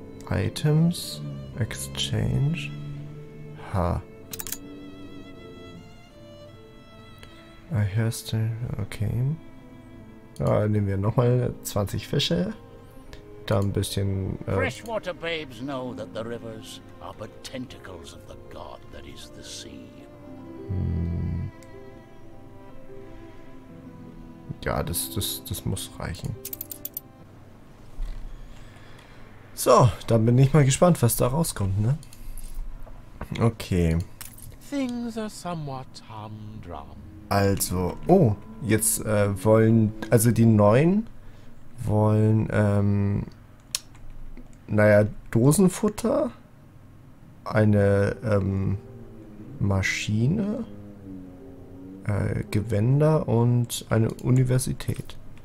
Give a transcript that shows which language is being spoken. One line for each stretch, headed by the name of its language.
English: Items. Exchange. Ha. I hear still. Okay.
German: Ah, nehmen wir nochmal 20 Fische. Da ein bisschen.
English: Freshwater babes know that the rivers are but tentacles of the god that is the sea.
German: Ja, das muss reichen. So, dann bin ich mal gespannt, was da rauskommt, ne? Okay.
English: Things are somewhat humdrum.
German: Also, oh, jetzt wollen. Also die neuen wollen, naja, Dosenfutter, eine Maschine, Gewänder und eine Universität.